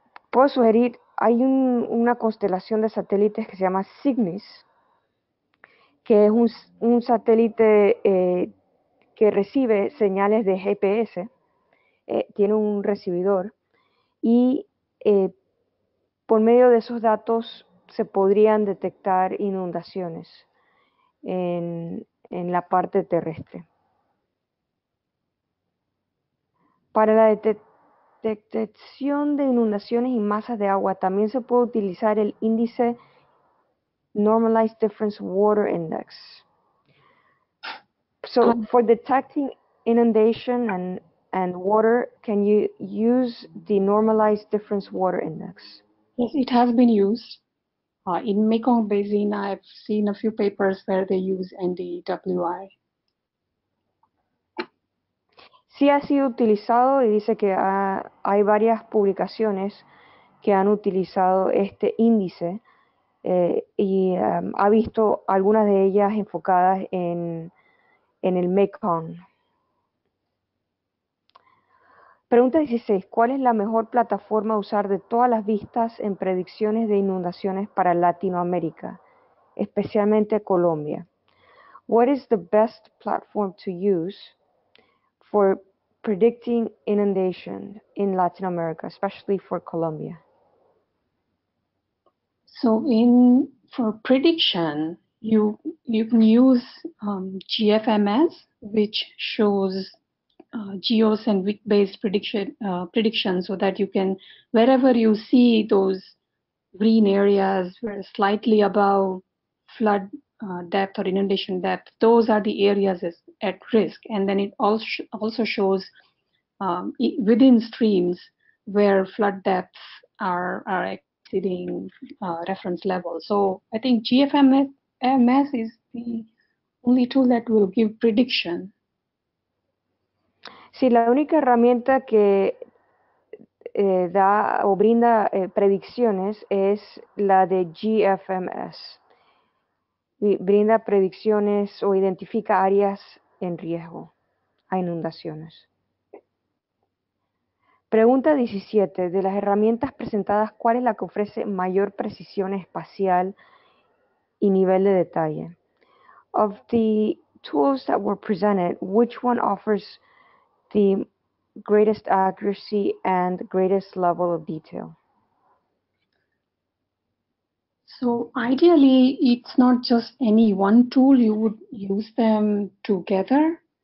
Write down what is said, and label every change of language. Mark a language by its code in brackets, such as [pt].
[es] Puedo sugerir, hay una constelación de satélites que se llama Cygnus, que es un satélite que recibe señales de GPS, tiene un recibidor, y por medio de esos datos se podrían detectar inundaciones en la parte terrestre. Para la detección de inundaciones y masas de agua, también se puede utilizar el índice Normalized Difference Water Index. [en] So for detecting inundation and water, can you use the Normalized Difference Water Index? Yes, it has been used. In Mekong Basin, I've seen a few papers where they use NDWI. [es] Sí ha sido utilizado y dice que hay varias publicaciones que han utilizado este índice y ha visto algunas de ellas enfocadas en el Mekong. Pregunta 16. ¿Cuál es la mejor plataforma a usar de todas las vistas en predicciones de inundaciones para Latinoamérica, especialmente Colombia? [en] What is the best platform to use for predicting inundation in Latin America, especially for Colombia? So for prediction, you can use GFMS, which shows geos and weak-based prediction, so that you can, wherever you see those green areas where slightly above flood depth or inundation depth, those are the areas at risk. And then it also shows within streams where flood depths are exceeding reference level. So I think GFMS is the only tool that will give prediction. [es] Sí, la única herramienta que da o brinda predicciones es la de GFMS. Brinda predicciones o identifica áreas en riesgo a inundaciones. Pregunta 17. De las herramientas presentadas, ¿cuál es la que ofrece mayor precisión espacial y nivel de detalle? [en] Of the tools that were presented, which one offers the greatest accuracy and greatest level of detail? So ideally, it's not just any one tool, you would use them together.